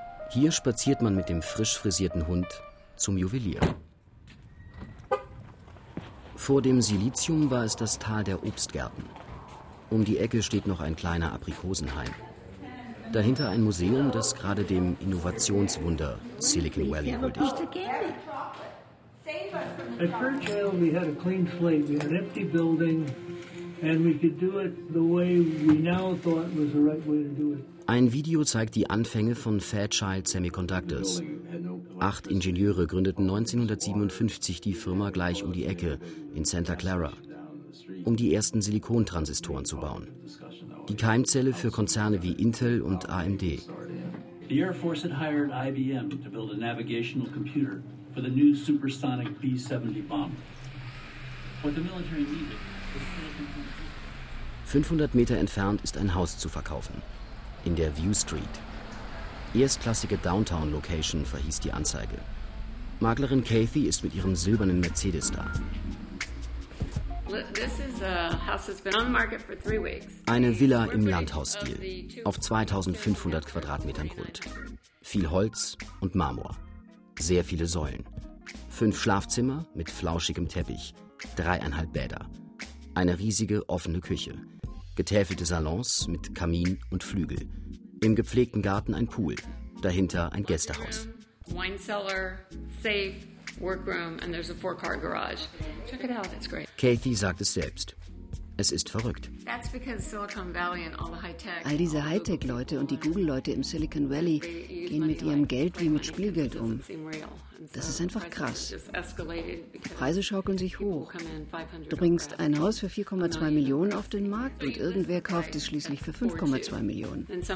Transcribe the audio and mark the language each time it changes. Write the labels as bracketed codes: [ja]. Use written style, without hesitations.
[de] Hier spaziert man mit dem frisch frisierten Hund zum Juwelier. Vor dem Silizium war es das Tal der Obstgärten. Um die Ecke steht noch ein kleiner Aprikosenhain. Dahinter ein Museum, das gerade dem Innovationswunder Silicon Valley huldigt. [en] At Fairchild, we had a clean slate. We had an empty building, and we could do it the way we now thought was the right way to do it. [de] Ein Video zeigt die Anfänge von Fairchild Semiconductors. 8 Ingenieure gründeten 1957 die Firma gleich um die Ecke in Santa Clara, um die ersten Silikontransistoren zu bauen. Die Keimzelle für Konzerne wie Intel und AMD. [en] The Air Force had hired IBM to build a navigational computer for the new supersonic B-70 bomb. What the military needed was silicon. [de] 500 Meter entfernt ist ein Haus zu verkaufen. In der View Street. Erstklassige Downtown-Location, verhieß die Anzeige. Maklerin Kathy ist mit ihrem silbernen Mercedes da. [en] This is a house that's been on the market for 3 weeks. [de] Eine Villa im Landhausstil, auf 2500 Quadratmetern Grund. Viel Holz und Marmor. Sehr viele Säulen. 5 Schlafzimmer mit flauschigem Teppich. 3,5 Bäder. Eine riesige offene Küche. Getäfelte Salons mit Kamin und Flügel. Im gepflegten Garten ein Pool. Dahinter ein Gästehaus. [en] Wine cellar, safe. Workroom and there's a 4-car garage. Check it out, it's great. [de] Kathy sagt es selbst. Es ist verrückt. [en] That's because Silicon Valley and all the high-tech. [de] All diese Hightech-Leute und die Google-Leute im Silicon Valley gehen mit ihrem Geld wie mit Spielgeld um. Das ist einfach krass. Die Preise schaukeln sich hoch. Du bringst ein Haus für 4,2 Millionen auf den Markt und irgendwer kauft es schließlich für 5,2 Millionen.